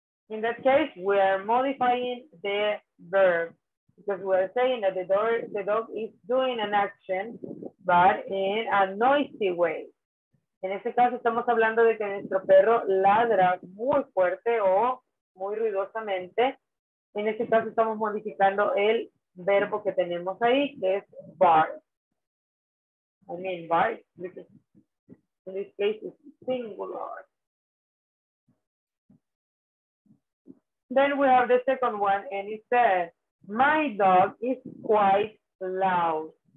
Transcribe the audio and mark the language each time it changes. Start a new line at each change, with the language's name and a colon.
English: In that case, we are modifying the verb because we are saying that the dog is doing an action, but in a noisy way.
Spanish: En este caso, estamos hablando de que nuestro perro ladra muy fuerte o muy ruidosamente. En este caso, estamos modificando el verbo que tenemos ahí, que es bark.
English: I mean bark, because in this case, it's singular. Then we have the second one, and it says, my dog is quite loud.